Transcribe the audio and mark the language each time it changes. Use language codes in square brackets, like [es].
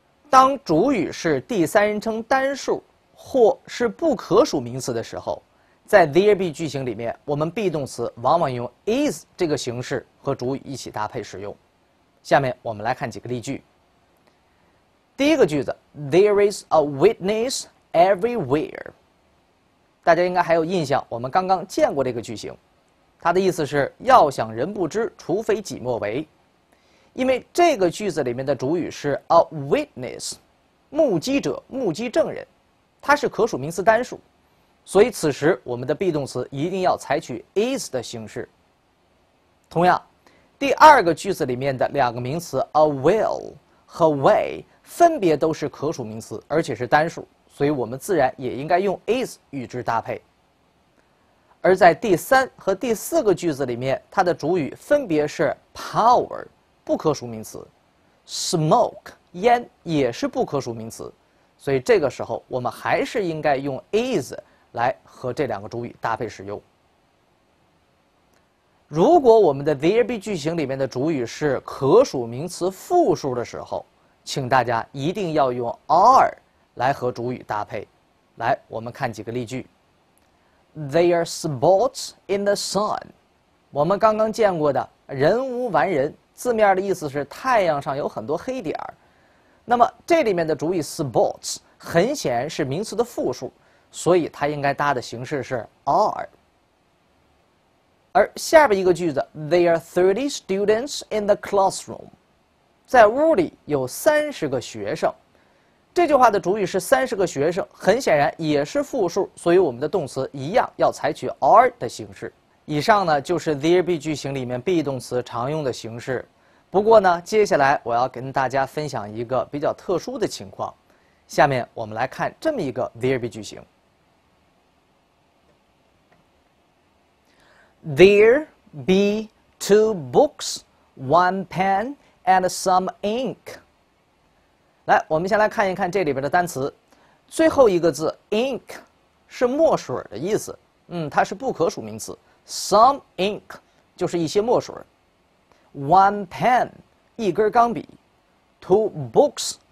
[zh] 当主语是第三人称单数或是不可数名词的时候，在 there be 句型里面，我们 be 动词往往用 is 这个形式和主语一起搭配使用。下面我们来看几个例句。第一个句子， [en] There is a witness everywhere。 [zh] 大家应该还有印象，我们刚刚见过这个句型，它的意思是要想人不知，除非己莫为。因为这个句子里面的主语是 a witness， 目击者、目击证人，它是可数名词单数，所以此时我们的 be 动词一定要采取 is 的形式。同样，第二个句子里面的两个名词 a will 和 way 分别都是可数名词，而且是单数，所以我们自然也应该用 is 与之搭配。而在第三和第四个句子里面，它的主语分别是 power 不可数名词， smoke 烟也是不可数名词，所以这个时候我们还是应该用 is 来和这两个主语搭配使用。如果我们的 there be 句型里面的主语是可数名词复数的时候，请大家一定要用 are 来和主语搭配。来，我们看几个例句。 [en] They are spots in the sun。 [zh] 我们刚刚见过的人无完人，字面的意思是太阳上有很多黑点。那么这里面的主语 spots 很显然是名词的复数，所以它应该搭的形式是 are。而下边一个句子， [en] They are 30 students in the classroom。 [zh] 在屋里有三十个学生。这句话的主语是三十个学生，很显然也是复数，所以我们的动词一样要采取 are 的形式。以上呢就是 there be 句型里面 be 动词常用的形式。不过呢，接下来我要跟大家分享一个比较特殊的情况。下面我们来看这么一个 there be 句型。 [en] There be two books, one pen, and some ink. [zh] 来，我们先来看一看这里边的单词。最后一个字 ink 是墨水的意思，它是不可数名词。 [en] Some ink [zh] 就是一些墨水。 [en] One pen [zh] 一根钢笔。 [en] Two books